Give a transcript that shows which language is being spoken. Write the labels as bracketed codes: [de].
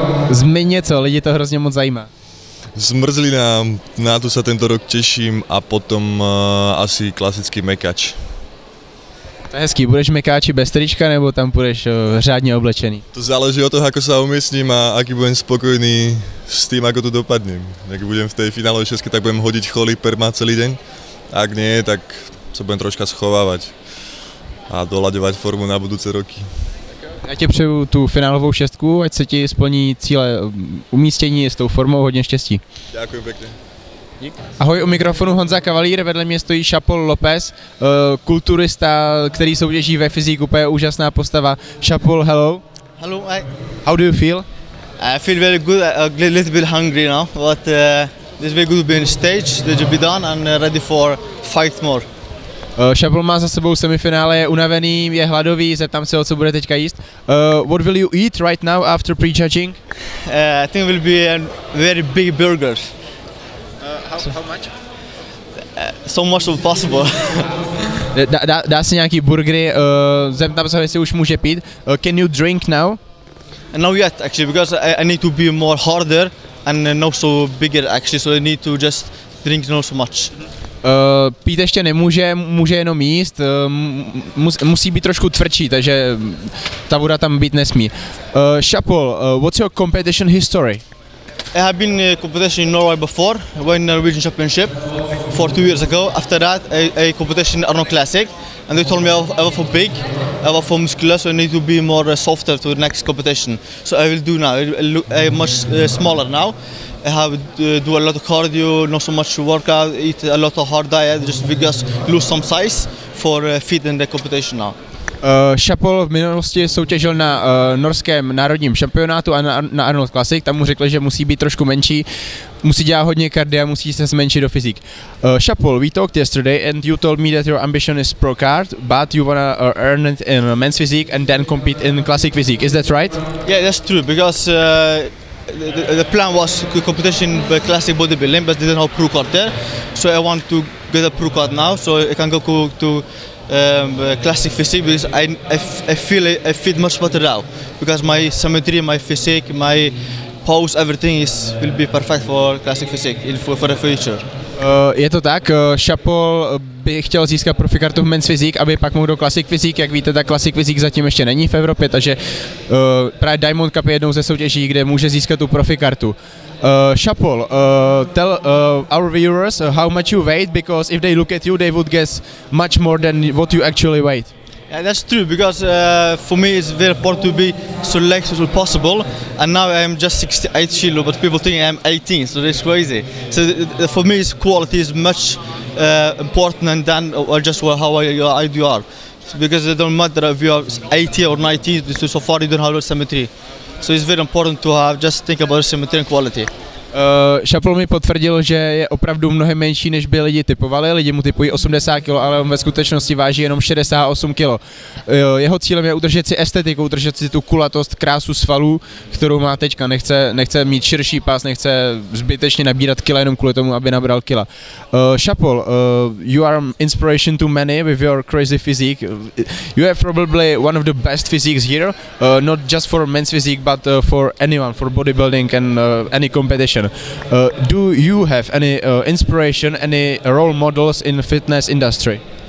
[cs] Zmiň něco, lidi to hrozně moc zajímá. [sk] Zmrzlina, na to sa tento rok teším a potom asi klasický mekač. [cs] To je hezký, budeš mekáči bez trička nebo tam budeš řádně oblečený? [sk] To záleží od toho, ako sa umiestním a aký budem spokojný s tým, ako tu dopadnem. Ak budem v tej finálovej šestke, tak budem hodiť choly perma celý deň. Ak nie, tak sa budem troška schovávať a doľaďovať formu na budúce roky. [cs] Já ti přeju tu finálovou šestku, ať se ti splní cíle umístění s tou formou, hodně štěstí. Děkuji pěkně. Ahoj, u mikrofonu Honza Kavalír, vedle mě stojí Chapol López, kulturista, který soutěží ve fyzíku, to je úžasná postava. [en] Chapol, hello. Hello. How do you feel? I feel very good, a little bit hungry now, but this will be good to be on stage, that you be done and ready for fight more. [cs] Chapol má za sebou semifinále, je unavený, je hladový, zeptám se, o co bude teďka jíst. [en] What will you eat right now after prejudging? I think it will be a very big burger. How much? So much as possible. [cs] dá si nějaký burgery, zeptám se, jestli už může pít. [en] Can you drink now? Not yet actually, because I need to be more harder and not so bigger actually, so I need to just drink not so much. [cs] Pít ještě nemůže, může jenom jíst, musí být trošku tvrdší, takže ta voda tam být nesmí. [en] Chapol, what's your competition history? I have been competition in Norway before, won Norwegian championship for 2 years ago. After that, I competition in Arnold Classic, and they told me I was for big, I was for muscular, so I need to be more softer to the next competition. So I will do now. I'm much smaller now. I have do a lot of cardio, not so much workout, eat a lot of hard diet, just because lose some size for fit in the competition now. [cs] Chapel v minulosti soutěžil na norském národním šampionátu a na Arnold Classic, tam mu řekli, že musí být trošku menší, musí dělat hodně kardia, musí se zmenšit do fyzik. [en] Chapel, we talked yesterday and you told me that your ambition is pro kart, but you wanna earn it in men's physique and then compete in classic physique, is that right? Yeah, that's true, because the plan was competition by classic bodybuilding, but didn't have pro kart there, so I want to get a pro kart now, so I can go to classic physique, because I feel much better now, because my symmetry, my physique, my pose, everything is will be perfect for classic physique in for the future. [cs] Je to tak, Chapel by chtěl získat profi kartu v men's physique, aby pak mohl do classic physique, jak víte, tak classic physique zatím ještě není v Evropě, takže právě Diamond Cup je jednou ze soutěží, kde může získat tu profi kartu. [en] Chapel, tell our viewers how much you weigh, because if they look at you, they would guess much more than what you actually weigh. Yeah, that's true, because for me it's very important to be so light as possible, and now I'm just 68 kilo, but people think I'm 18, so it's crazy. So for me, it's quality is much important than just how you are, because it don't matter if you are 80 or 90, so far you don't have symmetry. So it's very important to have just think about symmetry and quality. [cs] Chapel mi potvrdil, že je opravdu mnohem menší, než by lidi typovali. Lidi mu typují 80 kg, ale on ve skutečnosti váží jenom 68 kg. Jeho cílem je udržet si estetiku, udržet si tu kulatost, krásu svalů, kterou má teďka. Nechce mít širší pás, nechce zbytečně nabírat kila jenom kvůli tomu, aby nabral kila. [en] Chapel, you are inspiration to many with your crazy physique. You have probably one of the best physiques here, not just for men's physique, but for anyone, for bodybuilding and any competition. Do you have any inspiration, any role models in the fitness industry?